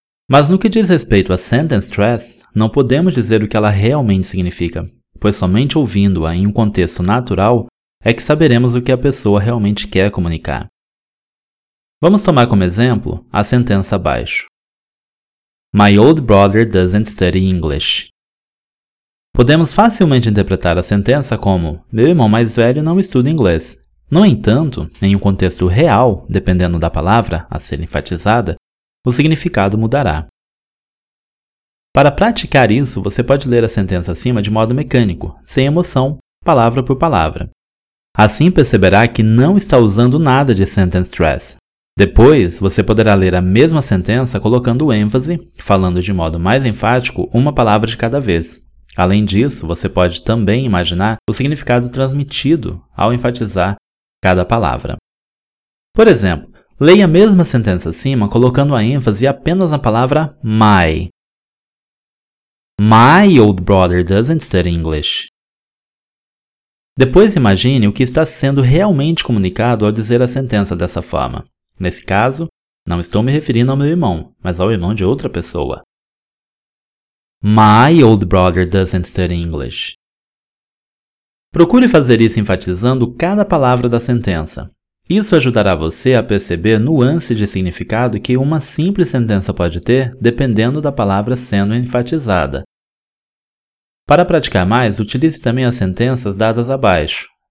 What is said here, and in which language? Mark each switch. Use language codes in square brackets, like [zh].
[pt] Mas no que diz respeito a sentence stress, não podemos dizer o que ela realmente significa, pois somente ouvindo-a em um contexto natural é que saberemos o que a pessoa realmente quer comunicar. Vamos tomar como exemplo a sentença abaixo. [en] My old brother doesn't study English. [pt] Podemos facilmente interpretar a sentença como meu irmão mais velho não estuda inglês. No entanto, em um contexto real, dependendo da palavra a ser enfatizada, o significado mudará. Para praticar isso, você pode ler a sentença acima de modo mecânico, sem emoção, palavra por palavra. Assim, perceberá que não está usando nada de sentence stress. Depois, você poderá ler a mesma sentença colocando ênfase, falando de modo mais enfático, uma palavra de cada vez. Além disso, você pode também imaginar o significado transmitido ao enfatizar cada palavra. Por exemplo, leia a mesma sentença acima colocando a ênfase apenas na palavra my. [en] My old brother doesn't study English. [pt] Depois imagine o que está sendo realmente comunicado ao dizer a sentença dessa forma. Nesse caso, não estou me referindo ao meu irmão, mas ao irmão de outra pessoa. [en] My old brother doesn't study English. [pt] Procure fazer isso enfatizando cada palavra da sentença. Isso ajudará você a perceber nuances de significado que uma simples sentença pode ter, dependendo da palavra sendo enfatizada. Para praticar mais, utilize também as sentenças dadas abaixo.